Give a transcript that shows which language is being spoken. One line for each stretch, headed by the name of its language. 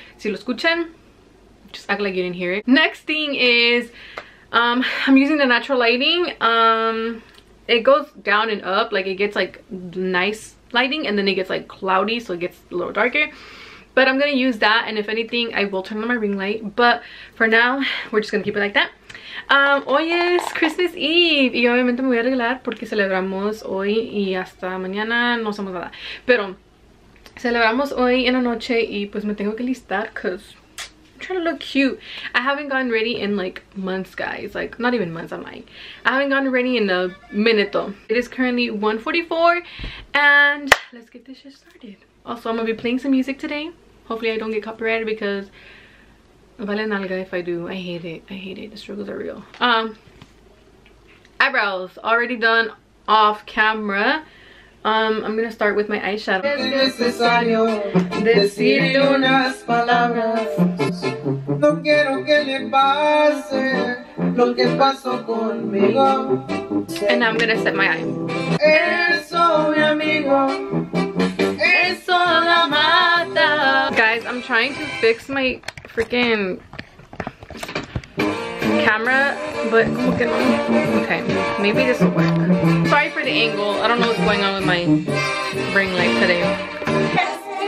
Spanish: Si lo escuchan,
English: just act like you didn't hear it. Next thing is, I'm using the natural lighting. It goes down and up, like it gets like nice lighting and then it gets like cloudy, so it gets a little darker. But I'm gonna use that, and if anything, I will turn on my ring light. But for now, we're just gonna keep it like that.
Spanish: Hoy es Christmas Eve. Y obviamente me voy a arreglar porque celebramos hoy y hasta mañana no hacemos nada. Pero celebramos hoy en la noche y pues me tengo que listar
English: because I'm trying to look cute. I haven't gotten ready in like months, guys. Like, not even months, I'm lying. I haven't gotten ready in a minute though. It is currently 1:44 and let's get this shit started. Also, I'm gonna be playing some music today. Hopefully I don't get copyrighted because
Spanish: vale nalga
English: if I do. I hate it. I hate it. The struggles are real. Eyebrows already done off camera. I'm gonna start with my eyeshadow.
Spanish: Es necesario decir unas palabras. No quiero que le pase lo que pasó conmigo.
English: And now I'm gonna set my eye.
Spanish: Eso, mi amigo.
English: Guys, I'm trying to fix my freaking camera, but okay, maybe this will work. Sorry for the angle. I don't know what's going on with my ring light today.